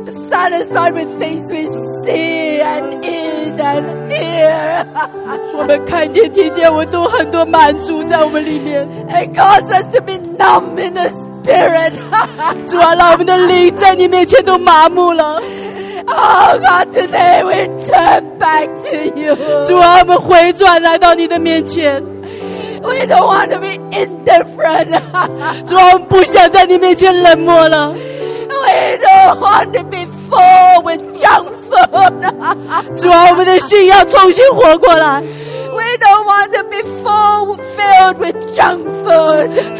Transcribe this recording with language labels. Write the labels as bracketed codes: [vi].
[en] Satisfied with things we see and eat and hear. [zh] 我们看见、听见，我都很多满足在我们里面。 [en] It causes us to be numb in the spirit. [zh] 主啊，让我们的灵在你面前都麻木了。 [en] Oh God, today we turn back to you. [zh] 主啊，我们回转来到你的面前。 [en] We don't want to be indifferent. [zh] 主啊，我们不想在你面前冷漠了。 [en] We don't want to be full with junk food. [zh] 主啊，我们的心要重新活过来。 [en] We don't want to be full filled with junk food.